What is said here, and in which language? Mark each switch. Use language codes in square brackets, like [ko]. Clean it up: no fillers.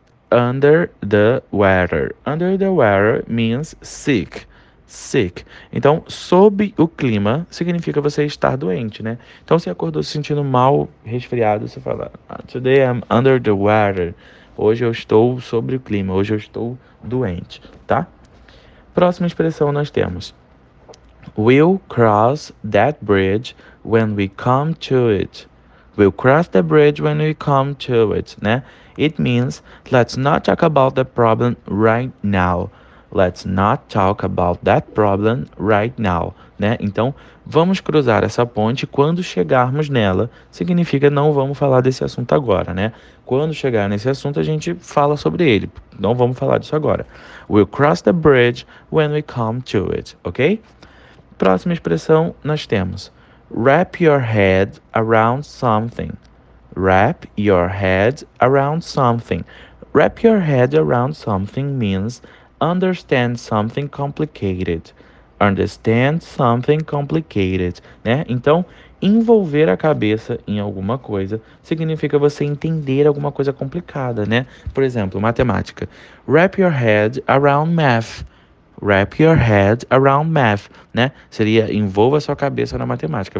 [en] Under the weather. Under the weather means sick. Sick. [pt] Então, sob o clima significa você estar doente, né? Então, se acordou se sentindo mal, resfriado, você fala, [en] today I'm under the weather. [pt] Hoje eu estou sobre o clima, hoje eu estou doente, tá? Próxima expressão nós temos. [en] We'll cross that bridge when we come to it. We'll cross the bridge when we come to it, né? It means, let's not talk about the problem right now. Let's not talk about that problem right now, né? [pt] Então, vamos cruzar essa ponte quando chegarmos nela. Significa, não vamos falar desse assunto agora, né? Quando chegar nesse assunto, a gente fala sobre ele. Não vamos falar disso agora. [en] We'll cross the bridge when we come to it, ok? [pt] Próxima expressão, nós temos. [en] Wrap your head around something. Wrap your head around something. Wrap your head around something means understand something complicated. Understand something complicated, né? [pt] Então, envolver a cabeça em alguma coisa significa você entender alguma coisa complicada, né? Por exemplo, matemática. [en] Wrap your head around math. Wrap your head around math, né? [pt] Seria, envolva sua cabeça na matemática.